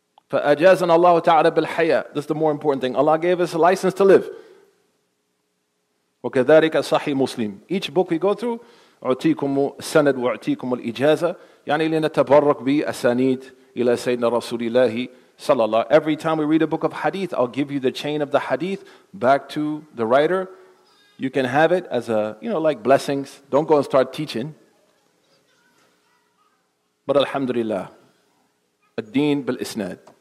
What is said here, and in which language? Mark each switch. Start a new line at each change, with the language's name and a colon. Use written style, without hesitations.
Arabic: فأجازنا الله تعالى بالحياة.
English: This is the more important thing. Allah gave us a license to live.
Arabic: وكذلك صحي مسلم.
English: Each book we go through,
Arabic: أعطيكم السند وأعطيكم الإجازة. يعني لنتبرك بأسانيد إلى سيدنا رسول الله صلى الله عليه وسلم.
English: Every time we read a book of hadith, I'll give you the chain of the hadith back to the writer. You can have it as a, you know, like blessings. Don't go and start teaching. But alhamdulillah,
Arabic: الدين بالإسناد.